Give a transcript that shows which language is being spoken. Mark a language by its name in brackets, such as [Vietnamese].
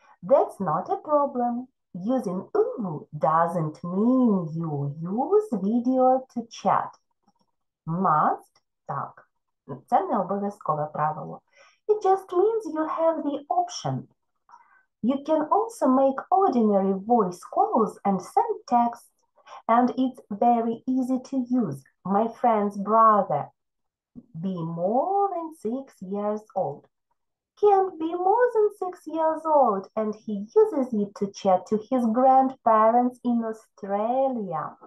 [English] That's not a problem. Using Uvu doesn't mean you use video to chat. [Ukrainian] Must, так. Це не обов'язкове правило. [English] It just means you have the option. You can also make ordinary voice calls and send texts. And it's very easy to use. My friend's brother, be more than 6 years old, can't be more than 6 years old, and he uses it to chat to his grandparents in Australia.